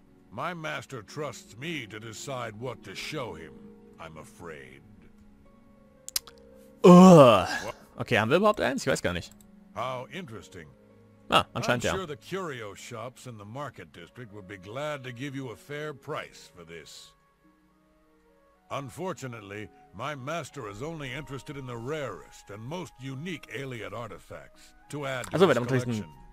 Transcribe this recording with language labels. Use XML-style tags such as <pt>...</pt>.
<en>My master trusts me to decide what to show him, I'm afraid.</en> <de>Okay, haben wir überhaupt eins? Ich weiß gar nicht.</de> <en>How interesting.</en> <de>Ah, anscheinend ja.</de> <en>I'm sure the curio shops in the market district would be glad to give you a fair price for this. Unfortunately, my master is only interested in the rarest and most unique alien artifacts to add to his collection.</en>